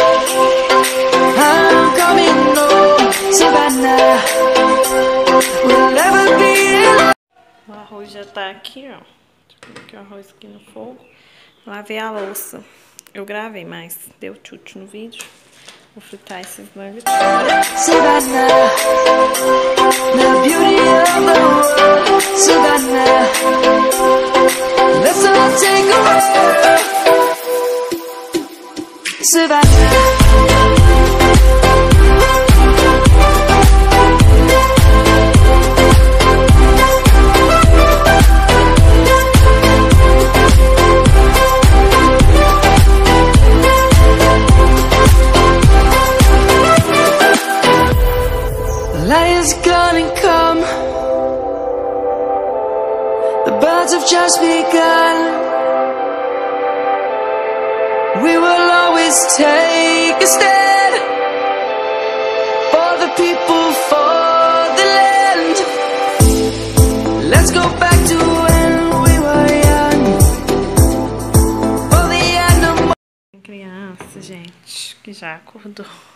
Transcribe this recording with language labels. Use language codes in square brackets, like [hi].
[en] Savannah, I'm coming home. Savannah, we'll never be alone. [pt] O arroz já tá aqui, ó. Deixa eu colocar o arroz aqui no fogo. Lavei a louça. Eu gravei, mas deu tchutch no vídeo. Vou fritar esses nuggets. [en] Savannah, the beauty of the world. Savannah, let's all take a walk. Light is gonna come. The birds have just begun. We will always take a stand for the people, for the land. Let's go back to when we were young. For the animal. [pt] Criança, gente, que já acordou.